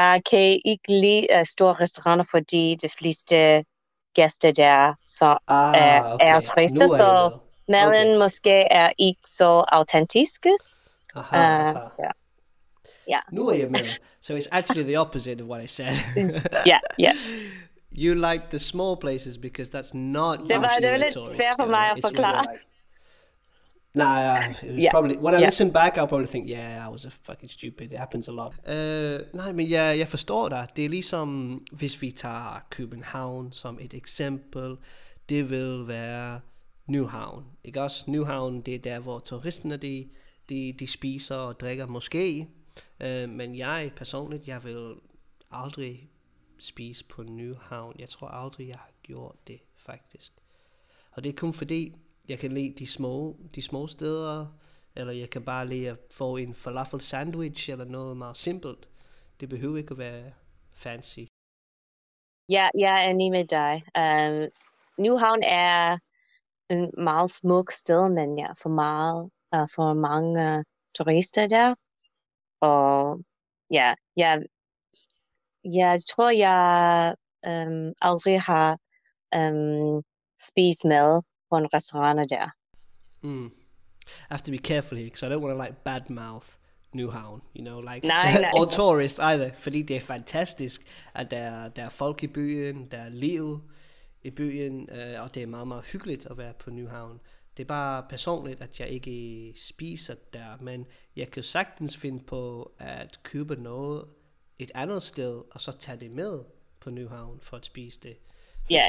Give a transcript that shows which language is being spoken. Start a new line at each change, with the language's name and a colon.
Danish: Kan ikke lide store restauranter, fordi de fleste gæster der er turister, så maden måske er ikke så autentisk. Aha.
English: Yeah.
Danish: Nu er jeg med.
English: So it's actually the opposite of what I said. Yeah. You like the small places because that's not usually the tourist.
Danish: Det var lidt svært for mig at forklare.
English: Nah, it was probably when I listen back, I'll probably think, yeah, I was a fucking stupid. It happens a lot.
Danish: Nej, men jeg forstår dig. Det er ligesom hvis vi tager København som et eksempel, det vil være Nyhavn. Ikke også? Nyhavn, det er der hvor turisterne de spiser og drikker måske. Men jeg personligt, jeg vil aldrig spise på Nyhavn. Jeg tror aldrig, jeg har gjort det, faktisk. Og det er kun fordi, jeg kan lide de små steder, eller jeg kan bare lide at få en falafel sandwich, eller noget meget simpelt. Det behøver ikke at være fancy. Ja, jeg er enig med dig. Nyhavn er en meget smuk sted, men ja, for mange turister der. Og ja, Jeg tror, jeg aldrig har spist mad på en restaurant der.
English: I have to be careful here because I don't want to like badmouth Nyhavn, you know, like
Danish: Nej, nej.
English: or tourists either,
Danish: fordi det er fantastisk, at der er folk i byen, der er liv i byen, og det er meget, meget hyggeligt at være på Nyhavn. Det er bare personligt, at jeg ikke spiser der, men jeg kan sagtens finde på at købe noget et andet sted, og så tage det med på Nyhavn for at spise det, for